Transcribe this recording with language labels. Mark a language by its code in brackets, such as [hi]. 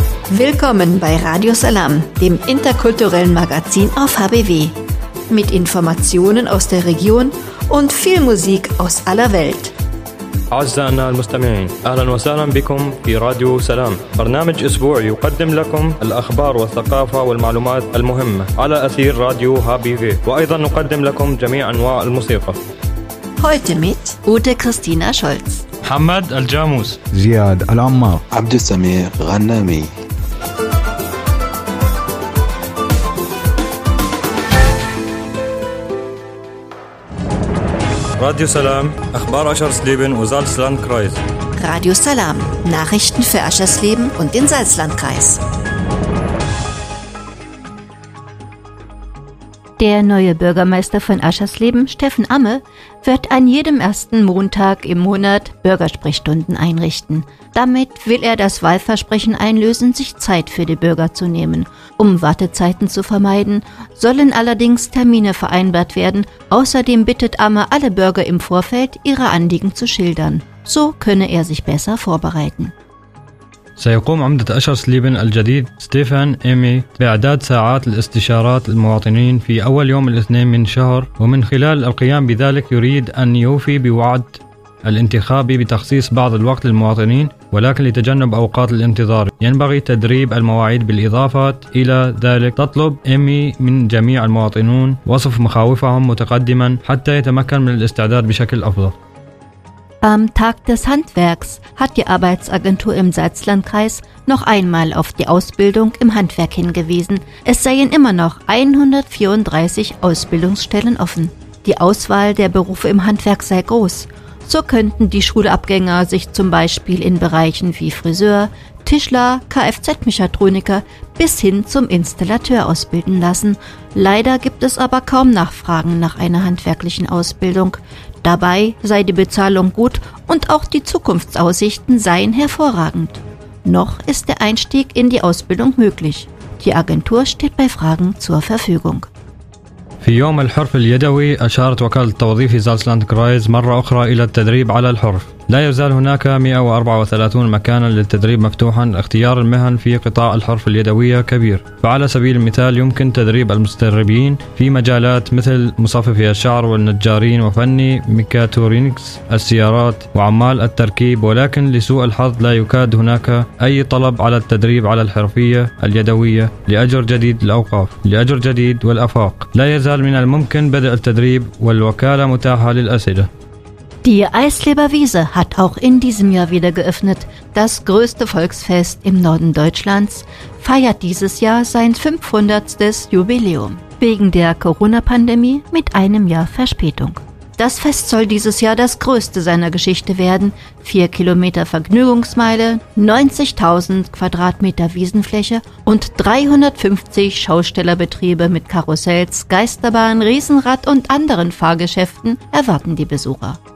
[de] Willkommen bei Radio Salam, dem interkulturellen Magazin auf HBW. Mit Informationen aus der Region und viel Musik aus aller Welt. [ar] أعزائنا المستمعين أهلا وسهلا بكم في راديو سلام برنامج أسبوعي يقدم لكم الأخبار والثقافة والمعلومات المهمة على أثير راديو هابي في وأيضا نقدم لكم جميع أنواع الموسيقى [de] Heute mit Ute Christina Scholz [ar] محمد الجاموس زياد العمار عبد السمير غنامي [de] Radio Salam, Achbar Aschersleben und Salzlandkreis. Radio Salam, Nachrichten für Aschersleben und den Salzlandkreis. Der neue Bürgermeister von Aschersleben, Steffen Amme, wird an jedem ersten Montag im Monat Bürgersprechstunden einrichten. Damit will er das Wahlversprechen einlösen, sich Zeit für die Bürger zu nehmen. Um Wartezeiten zu vermeiden, sollen allerdings Termine vereinbart werden. Außerdem bittet Amme alle Bürger im Vorfeld, ihre Anliegen zu schildern. So könne er sich besser vorbereiten. [ar] سيقوم عمدة أشرسليبن الجديد ستيفان إيمي بإعداد ساعات الاستشارات المواطنين في أول يوم الاثنين من شهر ومن خلال القيام بذلك يريد أن يوفي بوعد الانتخابي بتخصيص بعض الوقت للمواطنين ولكن لتجنب أوقات الانتظار ينبغي تدريب المواعيد بالإضافة إلى ذلك تطلب إيمي من جميع المواطنون وصف مخاوفهم متقدما حتى يتمكن من الاستعداد بشكل أفضل [de] Am Tag des Handwerks hat die Arbeitsagentur im Salzlandkreis noch einmal auf die Ausbildung im Handwerk hingewiesen. Es seien immer noch 134 Ausbildungsstellen offen. Die Auswahl der Berufe im Handwerk sei groß. So könnten die Schulabgänger sich zum Beispiel in Bereichen wie Friseur, Tischler, Kfz-Mechatroniker bis hin zum Installateur ausbilden lassen. Leider gibt es aber kaum Nachfragen nach einer handwerklichen Ausbildung. Dabei sei die Bezahlung gut und auch die Zukunftsaussichten seien hervorragend. Noch ist der Einstieg in die Ausbildung möglich. Die Agentur steht bei Fragen zur Verfügung. [ar] في يوم الحرف اليدوي أشارت وكالة التوظيف في زالسلاند كرايز مرة أخرى إلى التدريب على الحرف لا يزال هناك 134 مكانا للتدريب مفتوحا اختيار المهن في قطاع الحرف اليدوية كبير فعلى سبيل المثال يمكن تدريب المتدربين في مجالات مثل مصففي الشعر والنجارين وفني ميكاترونكس السيارات وعمال التركيب ولكن لسوء الحظ لا يكاد هناك أي طلب على التدريب على الحرفية اليدوية لأجر جديد الأوقاف لأجر جديد والأفاق لا يزال من الممكن بدء التدريب والوكالة متاحة للأسئلة [de] Die Eisleber Wiese hat auch in diesem Jahr wieder geöffnet. Das größte Volksfest im Norden Deutschlands feiert dieses Jahr sein 500. Jubiläum. Wegen der Corona-Pandemie mit einem Jahr Verspätung. Das Fest soll dieses Jahr das größte seiner Geschichte werden. 4 Kilometer Vergnügungsmeile, 90.000 Quadratmeter Wiesenfläche und 350 Schaustellerbetriebe mit Karussells, Geisterbahn, Riesenrad und anderen Fahrgeschäften erwarten die Besucher.